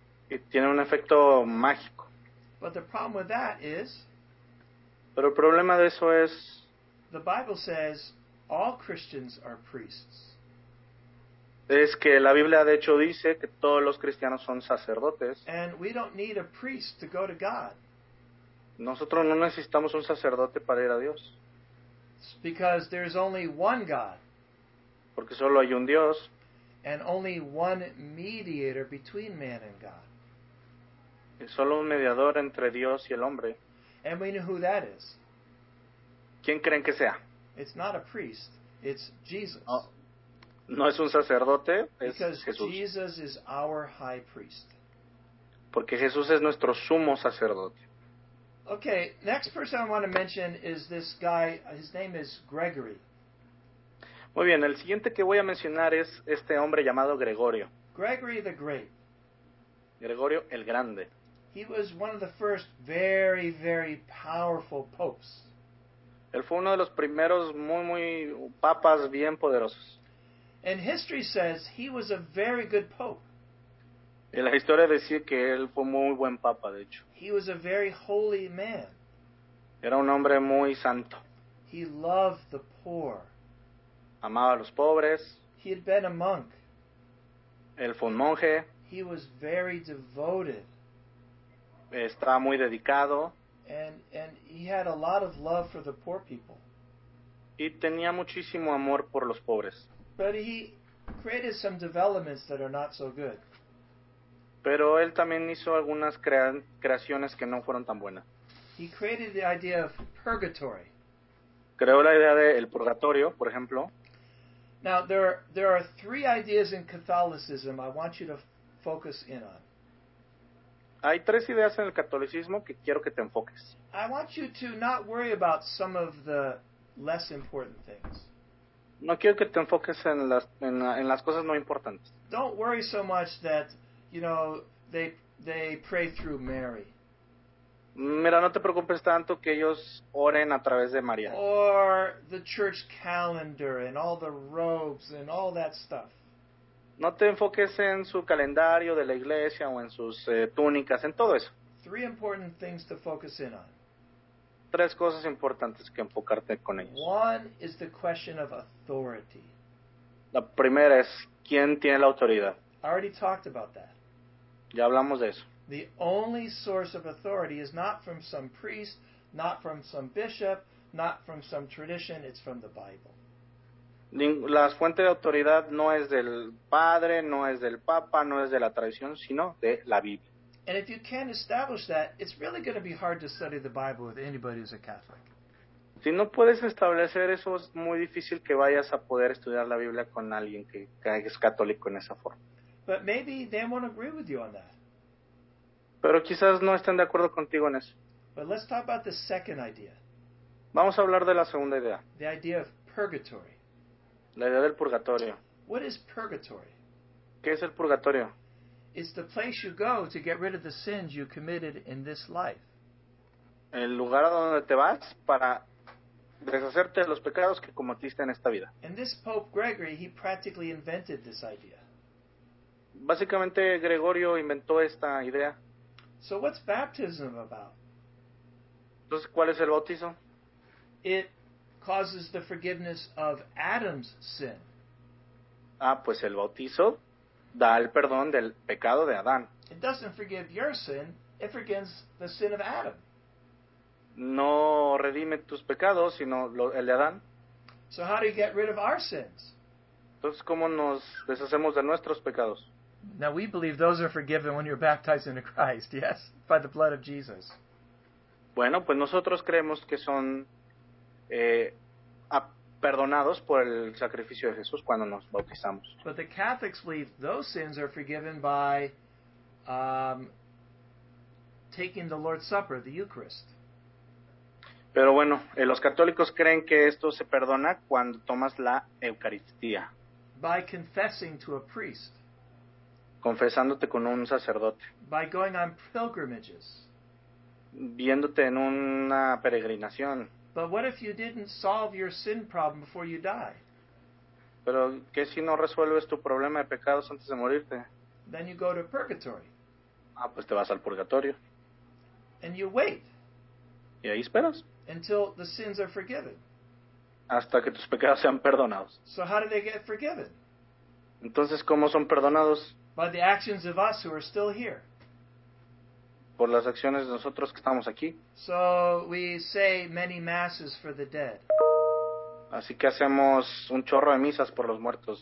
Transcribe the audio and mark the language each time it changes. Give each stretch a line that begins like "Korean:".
Spanish: Y tienen un efecto mágico.
English: But the problem with that is,
Spanish: pero el problema de eso es,
English: the Bible says all Christians are priests.
Spanish: Es que la Biblia de hecho dice que todos los cristianos son sacerdotes.
English: And we don't need a priest to go to God.
Spanish: Nosotros no necesitamos un sacerdote para ir a Dios.
English: It's because there's only one God.
Spanish: Porque solo hay un Dios.
English: And only one mediator between man and God.
Spanish: Y solo un mediador entre Dios y el hombre.
English: And we know who that is.
Spanish: ¿Quién creen que sea?
English: It's not a priest, it's Jesus.
Spanish: No es un sacerdote, es
English: because
Spanish: Jesús.
English: Jesus is our high priest.
Spanish: Porque Jesús es nuestro sumo sacerdote.
English: Okay, next person I want to mention is this guy, his name is Gregory.
Spanish: Muy bien, el siguiente que voy a mencionar es este hombre llamado Gregorio.
English: Gregory the Great.
Spanish: Gregorio el Grande.
English: He was one of the first very, very powerful popes.
Spanish: Él fue uno de los primeros muy, muy papas bien poderosos.
English: And history says he was a very good pope.
Spanish: Y la historia decía que él fue muy buen papa, de hecho.
English: He was a very holy man.
Spanish: Era un hombre muy santo.
English: He loved the poor.
Spanish: Amaba a los pobres.
English: He had been a monk.
Spanish: Él fue un monje.
English: He was very devoted.
Spanish: Estaba muy dedicado.
English: And he had a lot of love for the poor people.
Spanish: Y tenía muchísimo amor por los pobres.
English: But he created some developments that are not so good.
Spanish: Pero él también hizo algunas creaciones que no fueron tan buenas.
English: He created the idea of purgatory.
Spanish: Creó la idea del purgatorio, por ejemplo.
English: Now, there are three ideas in Catholicism I want you to focus in on.
Spanish: Hay tres ideas en el catolicismo que quiero que te enfoques.
English: I want you to not worry about some of the less important things.
Spanish: No quiero que te enfoques en las cosas no importantes.
English: Don't worry so much that, you know, they pray through Mary.
Spanish: Mira, no te preocupes tanto que ellos oren a través de María.
English: Or the church calendar and all the robes and all that stuff.
Spanish: No te enfoques en su calendario de la iglesia o en sus túnicas, en todo eso.
English: Three important things to focus in on.
Spanish: Tres cosas importantes que enfocarte con ellos.
English: One is the question of authority.
Spanish: La primera es, ¿quién tiene la autoridad?
English: I already talked about that.
Spanish: Ya hablamos de eso.
English: The only source of authority is not from some priest, not from some bishop, not from some tradition, it's from the Bible.
Spanish: La fuente de autoridad no es del padre, no es del papa, no es de la tradición, sino de la Biblia.
English: And if you can't establish that, it's really going to be hard to study the Bible with anybody who's a Catholic.
Spanish: Si no puedes establecer eso, es muy difícil que vayas a poder estudiar la Biblia con alguien que es católico en esa forma.
English: But maybe they won't agree with you on that.
Spanish: Pero quizás no estén de acuerdo contigo en eso.
English: But let's talk about the second idea.
Spanish: Vamos a hablar de la segunda idea.
English: The idea of purgatory.
Spanish: La idea del purgatorio.
English: What is purgatory?
Spanish: ¿Qué es el purgatorio?
English: It's the place you go to get rid of the sins you committed in this life.
Spanish: El lugar a donde te vas para deshacerte de los pecados que cometiste en esta vida.
English: And this Pope Gregory, he practically invented this idea.
Spanish: Básicamente Gregorio inventó esta idea.
English: So what's baptism about?
Spanish: Entonces, ¿cuál es el bautizo?
English: It causes the forgiveness of Adam's sin.
Spanish: Ah, pues el bautizo da el perdón del pecado de Adán.
English: It doesn't forgive your sin, it forgives the sin of Adam.
Spanish: No redime tus pecados, sino el de Adán.
English: So how do you get rid of our sins?
Spanish: Entonces, ¿cómo nos deshacemos de nuestros pecados?
English: Now we believe those are forgiven when you're baptized into Christ, yes, by the blood of Jesus.
Spanish: Bueno, pues nosotros creemos que son perdonados por el sacrificio de Jesús cuando nos bautizamos.
English: But the Catholics believe those sins are forgiven by taking the Lord's Supper, the Eucharist.
Spanish: Pero bueno, los católicos creen que esto se perdona cuando tomas la Eucaristía.
English: By confessing to a priest.
Spanish: Confesándote con un sacerdote.
English: By going on pilgrimages.
Spanish: Viéndote en una peregrinación.
English: But what if you didn't solve your sin problem before you die?
Spanish: Pero ¿qué si no resuelves tu problema de pecados antes de morirte?
English: Then you go to purgatory.
Spanish: Ah, pues te vas al purgatorio.
English: And you wait.
Spanish: Y ahí esperas.
English: Until the sins are forgiven.
Spanish: Hasta que tus pecados sean perdonados.
English: So how do they get forgiven?
Spanish: Entonces, ¿cómo son perdonados?
English: By the actions of us who are still here.
Spanish: Por las acciones de nosotros que estamos aquí.
English: So we say many masses for the dead.
Spanish: Así que hacemos un chorro de misas por los muertos.